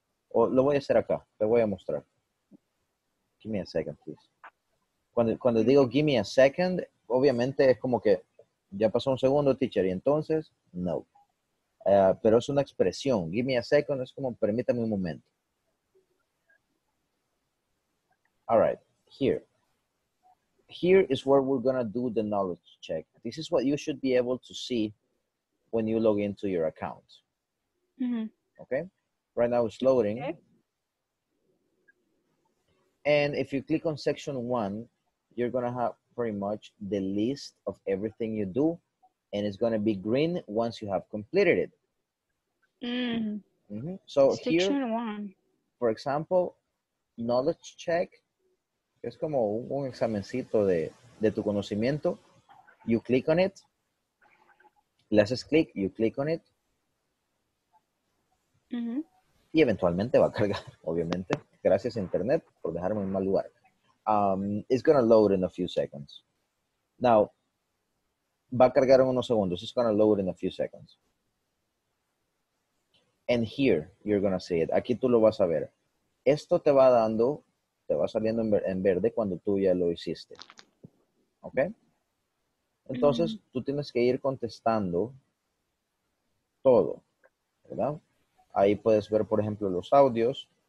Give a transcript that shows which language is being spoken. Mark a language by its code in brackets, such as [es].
[es] O lo voy a hacer acá, te voy a mostrar. [en] Give me a second, please. [es] Cuando digo [en] give me a second, [es] obviamente es como que ya pasó un segundo, teacher, y entonces, no. Pero es una expresión. [en] Give me a second [es] es como permítame un momento. [en] All right, here. Here is where we're going to do the knowledge check. This is what you should be able to see when you log into your account. Mm-hmm. Okay? Right now it's loading. Okay. And if you click on section 1, you're going to have pretty much the list of everything you do, and it's going to be green once you have completed it. Mm. Mm-hmm. So section here, one. For example, [es] knowledge check, es como un examencito de tu conocimiento. [en] You click on it, [es] le haces click, [en] you click on it, mm-hmm. [es] y eventualmente va a cargar, obviamente. Gracias a internet por dejarme en mal lugar. [en] It's going to load in a few seconds. Now, [es] va a cargar en unos segundos. [en] It's going to load in a few seconds. And here, you're going to see it. [es] Aquí tú lo vas a ver. Esto te va dando, te va saliendo en verde cuando tú ya lo hiciste. Okay? Entonces, mm-hmm. tú tienes que ir contestando todo, ¿verdad? Ahí puedes ver, por ejemplo, los audios.